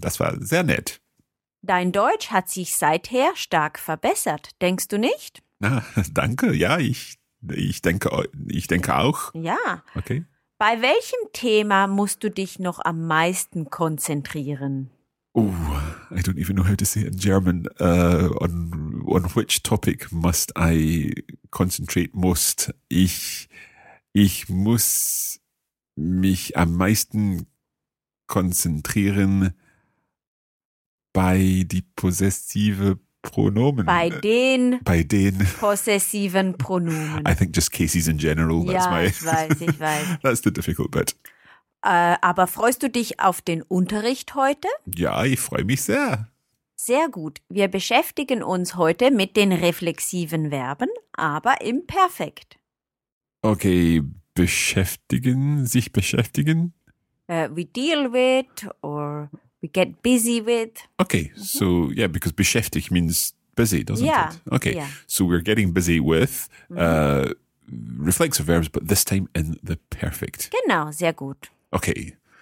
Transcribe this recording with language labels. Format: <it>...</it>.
<de>Das war sehr nett. Dein Deutsch hat sich seither stark verbessert, denkst du nicht? Ah, danke, ja, ich denke auch. Ja.</de> <en>Okay.</en> <de>Bei welchem Thema musst du dich noch am meisten konzentrieren?</de> <en>I don't even know how to say it in German. On which topic must I concentrate most?</en> <de>Ich muss mich am meisten konzentrieren bei die possessive Pronomen. Bei den possessiven Pronomen.</de> <en>I think just cases in general.</en> <de>Ja, ich weiß.</de> <en>That's the difficult bit.</en> <de>Aber freust du dich auf den Unterricht heute? Ja, ich freue mich sehr. Sehr gut. Wir beschäftigen uns heute mit den reflexiven Verben, aber im Perfekt. Okay, beschäftigen, sich beschäftigen.</de> <en>We deal with or we get busy with. Okay, so yeah, because beschäftigt means busy, doesn't it? Okay, yeah. So we're getting busy with reflexive verbs, but this time in the perfect.</en> <de>Genau, sehr gut.</de> <en>Okay.</en>